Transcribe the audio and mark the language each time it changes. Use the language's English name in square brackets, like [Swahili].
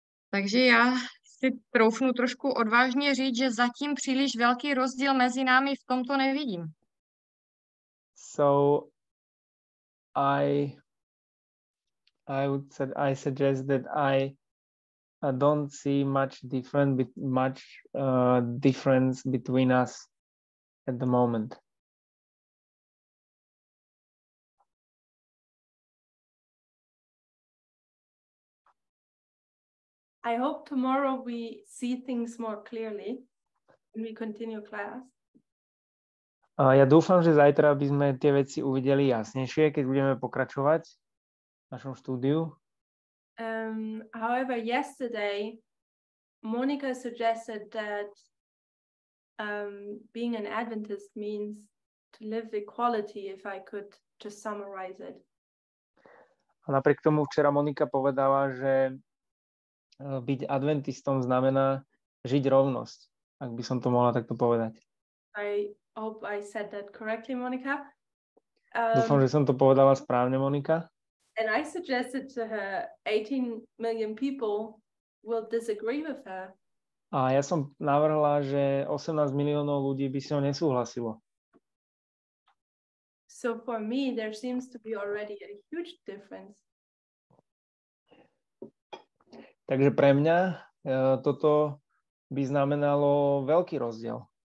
[Czech] Takže já si troufnu trošku odvážně říct, že zatím příliš velký rozdíl mezi námi v tomto nevidím. [English] So I would said I suggest that I don't see much difference between us at the moment. I hope tomorrow we see things more clearly when we continue class. [Slovak] Ja dúfam, že zajtra by sme tie veci uvideli jasnejšie, keď budeme pokračovať v našom štúdiu. [English] However, yesterday Monica suggested that being an Adventist means to live equality, if I could just summarize it. [Slovak] A napriek tomu včera Monika povedala, že byť Adventistom znamená žiť rovnosť, ak by som to mohla takto povedať. [English] I hope I said that correctly, Monica. [Slovak] Dúfam, že som to povedala správne, Monika. [English] And I suggested to her 18 million people will disagree with her. [Slovak] A ja som navrhla, že 18 miliónov ľudí by si ho nesúhlasilo. [English] So for me, there seems to be already a huge difference. [Slovak] Takže pre mňa toto by znamenalo veľký rozdiel.